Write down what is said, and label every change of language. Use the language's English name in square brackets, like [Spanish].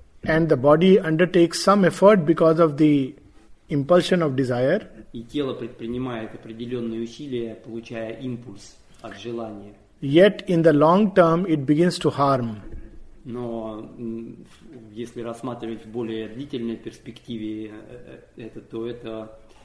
[English] And the body undertakes some effort because of the impulsion of desire. [Russian] И тело предпринимает определенные усилия, получая импульс от желания. [English] Yet in the long term it begins to harm. [Russian] Но если рассматривать в более длительной перспективе это, то это...